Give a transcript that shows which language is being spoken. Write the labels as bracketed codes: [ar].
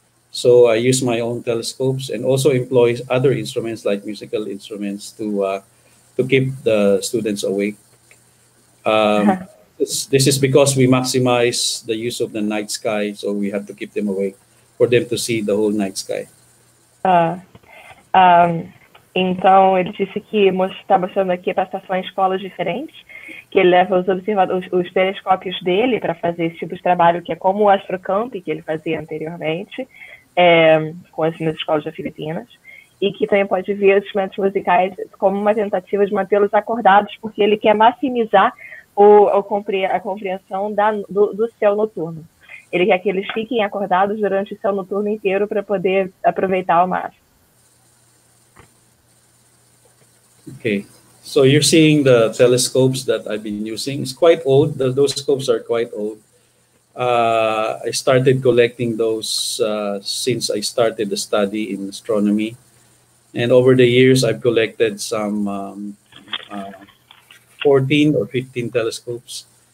[en] So I use my own telescopes and also employ other instruments like musical instruments to keep the students awake. this is because we maximize the use of the night sky, so we have to keep them awake for them to see the whole night sky. [pt] Então, ele disse que está mostrando aqui para estações em escolas diferentes, que ele leva os telescópios dele para fazer esse tipo de trabalho, que é como o astrocamp que ele fazia anteriormente, com as minhas escolas das Filipinas, e que também pode ver os instrumentos musicais como uma tentativa de mantê-los acordados, porque ele quer maximizar a compreensão do céu noturno. Ele quer que eles fiquem acordados durante o céu noturno inteiro para poder aproveitar ao máximo. [en] Okay, so you're seeing the telescopes that I've been using. It's quite old. Those scopes are quite old. I started collecting those since I started the study in astronomy. And over the years, I've collected some 14 or 15 telescopes.